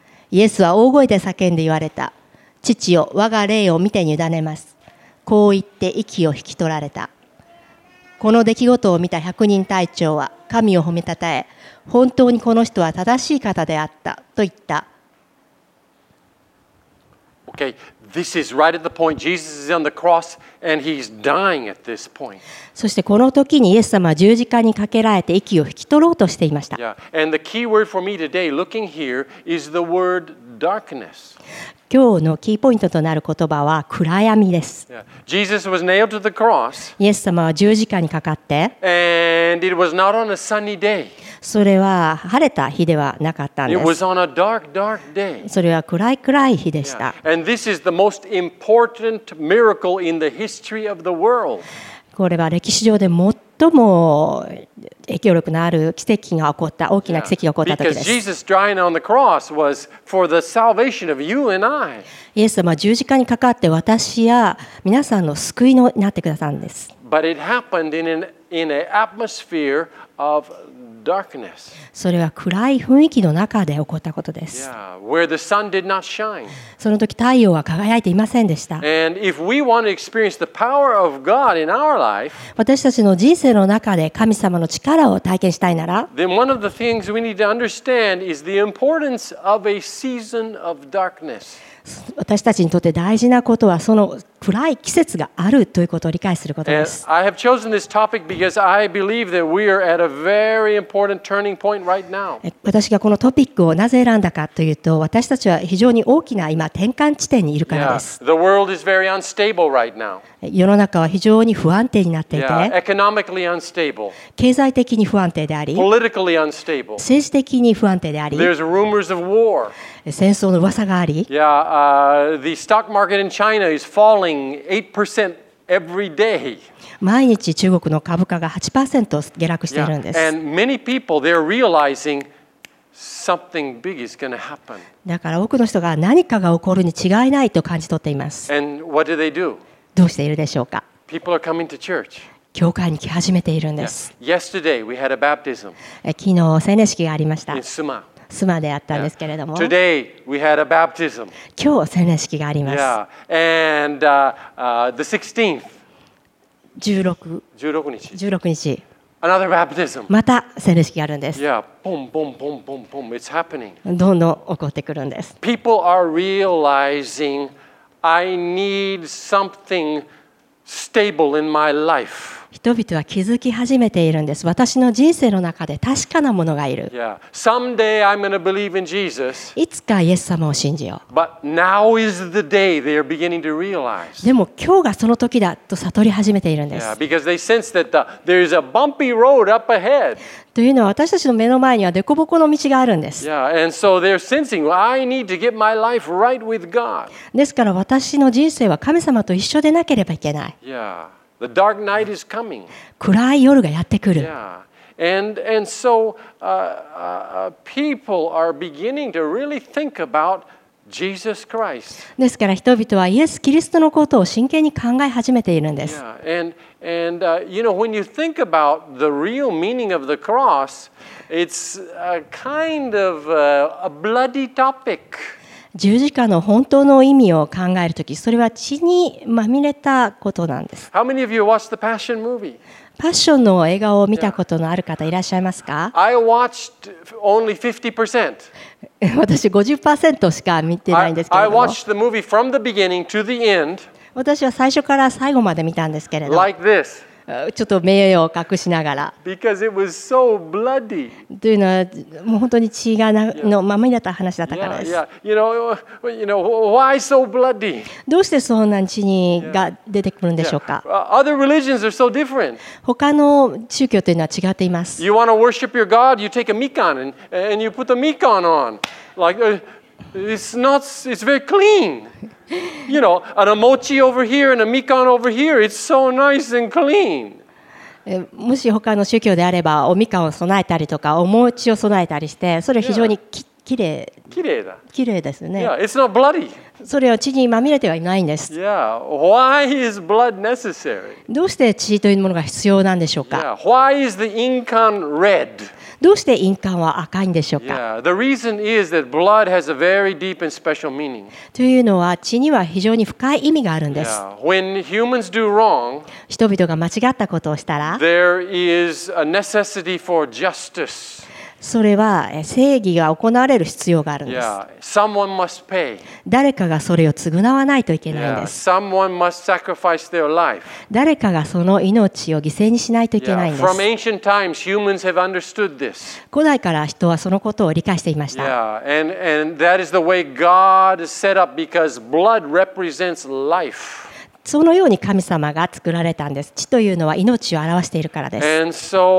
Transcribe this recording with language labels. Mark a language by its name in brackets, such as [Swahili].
[Japanese] イエスは大声で叫んで言われた。父よ、我が霊を見てに委ねます。こう言って息を引き取られた。この出来事を見た百人隊長は神を褒めたたえ、本当にこの人は正しい方であったと言った。 [English] Okay, this is right at the point. Jesus is on the cross and he's dying at this point. [Japanese] そしてこの時にイエス様は十字架にかけられて息を引き取ろうとしていました。 [English] Yeah. And the key word for me today, looking here, is the word darkness. [Japanese] 今日のキーポイントとなる言葉は暗闇です。 [English] Yeah. Jesus was nailed to the cross. [Japanese] イエス様は十字架にかかって、 [English] and it was not on a sunny day. [Japanese] それは晴れた日ではなかったんです。 [English] It was on a dark, dark day. [Japanese] それは暗い暗い日でした。 [English] Yeah. And this is the most important miracle in the history of the world. [Japanese] これは歴史上で最も影響力のある奇跡が起こった、大きな奇跡が起こった時です。 [English] Because Jesus dying on the cross was for the salvation of you and I. [Japanese] イエス様は十字架にかかって私や皆さんの救いになってくださったんです。 [English] But it happened in an atmosphere of darkness. [Japanese] それは暗い雰囲気の中で起こったことです。 [English] Yeah, where the sun did not shine. [Japanese] その時太陽は輝いていませんでした。 [English] And if we want to experience the power of God in our life, [Japanese] 私たちの人生の中で神様の力を体験したいなら、 [English] then one of the things we need to understand is the importance of a season of darkness. [Japanese] 私たちにとって大事なことはその暗い季節があるということを理解することです。 [English] And I have chosen this topic because I believe that we are at a very important turning point right now. [Japanese] 私がこのトピックをなぜ選んだかというと、私たちは非常に大きな今転換地点にいるからです。 [English] Yeah. The world is very unstable right now. [Japanese] 世の中は非常に不安定になっていて、 [English] yeah. Economically unstable. [Japanese] 経済的に不安定であり、 [English] Politically unstable. [Japanese] 政治的に不安定であり、 [English] There's rumors of war. [Japanese] 戦争の噂があり、 [English] yeah. The stock market in China is falling 8% every day. [Japanese] 毎日中国の株価が 8% 下落しているんです。 [English] Yeah. And many people, they're realizing something big is going to happen. [Japanese] だから多くの人が何かが起こるに違いないと感じ取っています。 [English] And what do they do? [Japanese] どうしているでしょうか? [English] People are coming to church. [Japanese] 教会に来始めているんです。 [English] Yesterday we had a baptism. [Japanese] 昨日洗礼式がありました。 [English] In Suma. [Japanese] スマであったんですけれども、 [English] Today, we had a baptism. [Japanese] 今日洗礼式があります。 [English] Yeah. And, the 16th. [Japanese] 16日。 [English] Another baptism. [Japanese] また洗礼式があるんです。 [English] Yeah. Boom, boom, boom, boom, boom. It's happening. [Japanese] どんどん起こってくるんです。 [English] People are realizing I need something stable in my life. [Japanese] 人々は気づき始めているんです。私の人生の中で確かなものがいる。 [English] Yeah. Someday I'm going to believe in Jesus. [Japanese] いつかイエス様を信じよう。 [English] But now is the day they are beginning to realize. [Japanese] でも今日がその時だと悟り始めているんです。 [English] Yeah. Because they sense that there is a bumpy road up ahead. [Japanese] というのは私たちの目の前には凸凹の道があるんです。 [English] Yeah. And so they're sensing, well, I need to get my life right with God. [Japanese] ですから私の人生は神様と一緒でなければいけない。 [English] Yeah. The dark night is coming. [Japanese] 暗い夜がやってくる。 [English] Yeah. And so, people are beginning to really think about Jesus Christ. [Japanese] ですから人々はイエス・キリストのことを真剣に考え始めているんです。 [English] Yeah. And you know, when you think about the real meaning of the cross, it's a kind of a bloody topic. [Japanese] 十字架の本当の意味を考えるとき、それは血にまみれたことなんです。 [English] How many of you watched the Passion movie? [Japanese] パッションの映画を見たことのある方いらっしゃいますか? [English] I watched only 50%. [Japanese] 私 50% しか見てないんですけれども。 [English] I watched the movie from the beginning to the end. [Japanese] 私は最初から最後まで見たんですけれども。 [English] Like this. [Japanese] ちょっと目を隠しながら。 [English] Because it was so bloody. [Japanese] というのはもう本当に血がのまみれだった話だったからです。 [English] Yeah, yeah. You know, why so bloody? [Japanese] どうしてそんな血にが出てくるんでしょうか。 [English] Yeah. Other religions are so different. [Japanese] 他の宗教というのは違っています。 [English] You want to worship your God, you take a mikan and you put the mikan on. Like, it's very clean. You know, an omochi over here and a mikan over here. It's so nice and clean. [Japanese] もし他の宗教であれば、おみかんを備えたりとか、お餅を備えたりして、それは非常にきれい。きれいだ。きれいですね。 [English] Yeah, it's not bloody. [Japanese] それは血にまみれてはいないんです。 [English] Yeah, why is blood necessary? [Japanese] どうして血というものが必要なんでしょうか? [English] Yeah, why is the ink on red? [Japanese] どうして印鑑は赤いんでしょうか。 [English] Yeah, the reason is that blood has a very deep and special meaning. [Japanese] というのは血には非常に深い意味があるんです。 [English] Yeah, when humans do wrong, [Japanese] 人々が間違ったことをしたら、 [English] there is a necessity for justice. [Japanese] それは正義が行われる必要があるんです。 [English] Yeah, someone must pay. [Japanese] 誰かがそれを償わないといけないんです。 [English] Yeah, someone must sacrifice their life. [Japanese] 誰かがその命を犠牲にしないといけないんです。 [English] Yeah, from ancient times, humans have understood this. [Japanese] 古代から人はそのことを理解していました。 [English] Yeah, and that is the way God set up because blood represents life. [Japanese] そのように神様が作られたんです。血というのは命を表しているからです。